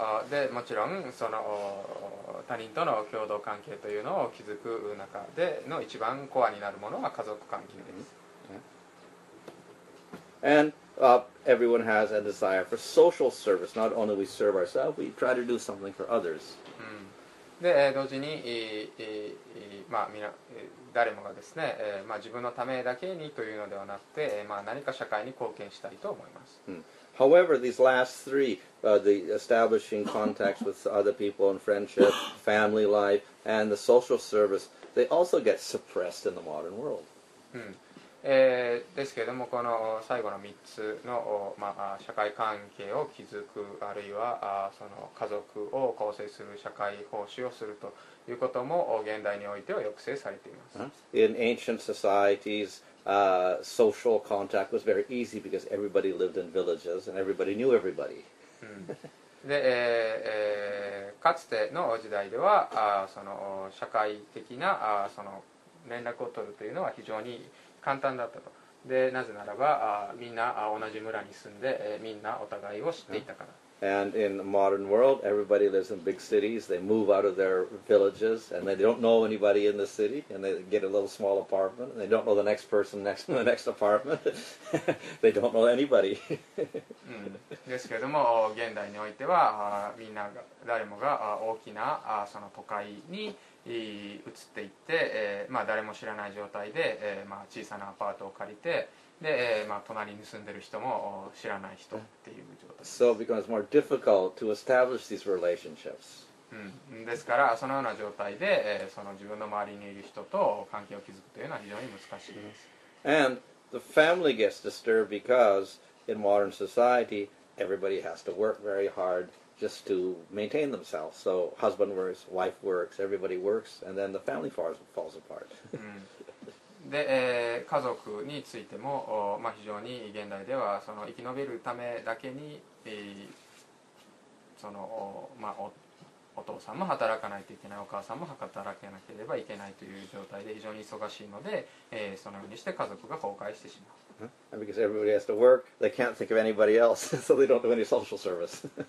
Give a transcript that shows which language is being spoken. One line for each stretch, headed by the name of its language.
Japanese: で、もちろんその他人との共同関係というのを築く中での一番コアになるものは家族関係です。 Mm-hmm.
English: And everyone has a desire for social service. Not only we serve ourselves, we try to do something for others.
Japanese: で、同時に、まあ、みな誰もがですね、まあ、自分のためだけにというのではなくて、まあ、何か社会に貢献したいと思います。
English: However, these last three, the establishing contacts with other people and friendship, family life, and the social service, they also get suppressed in the modern world.
Japanese: ですけれども、この最後の3つの、まあ、社会関係を築く、あるいはその家族を構成する社会奉仕をすると、いうことも現代においては抑制されています。
English: In ancient societies, social contact was very easy because everybody lived in villages and everybody knew everybody.
Japanese: で、かつての時代では、その社会的なその連絡を取るというのは非常に簡単だったと。で、なぜならば、みんな同じ村に住んで、みんなお互いを知っていたから。
English: And in the modern world, everybody lives in big cities. They move out of their villages, and they don't know anybody in the city, and they get a little small apartment, and they don't know the next person next to the next apartment. They don't know anybody.
Japanese: ですけれども、現代においては、みんな誰もが大きなその都会に移っていって、まあ、誰も知らない状態で、まあ、小さなアパートを借りて、で、まあ、隣に住んでる人も知らない人っていう状態です。
English: So it becomes more difficult to establish these relationships.
Japanese: ですから、そのような状態で、その自分の周りにいる人と関係を築くというのは非常に難しいです。
English: And the family gets disturbed because in modern society, everybody has to work very hard just to maintain themselves. So husband works, wife works, everybody works, and then the family falls apart.
Japanese: で、家族についても、まあ、非常に現代ではその生き延びるためだけに、その、まあ、お父さんも働かないといけない、お母さんも働かなければいけないという状態で非常に忙しいので、そのようにして家族が崩壊してしまう。
English: And because everybody has to work, they can't think of anybody else, so they don't do any social service.